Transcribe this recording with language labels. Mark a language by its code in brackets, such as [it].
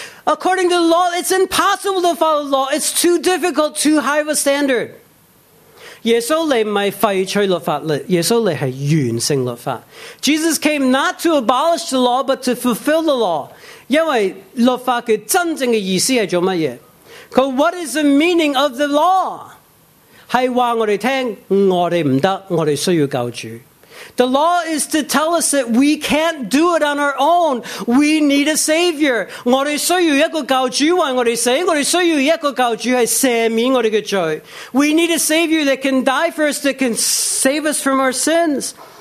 [en] According to the law, it's impossible to follow the law. It's too difficult, too high of a standard. [zh] 耶稣来不是废除律法,耶稣来是完成律法。 [en] Jesus came not to abolish the law, but to fulfill the law. [zh] 因为律法的真正的意思是做什么? [en] 'Cause what is the meaning of the law? [zh] 是告诉我们,我们不行,我们需要救主。 [en] The law is to tell us that we can't do it on our own. We need a savior. [zh] 我们需要一个救主为我们死,我们需要一个救主去赦免我们的罪。 [en] We need a savior that can die for us, that can save us from our sins.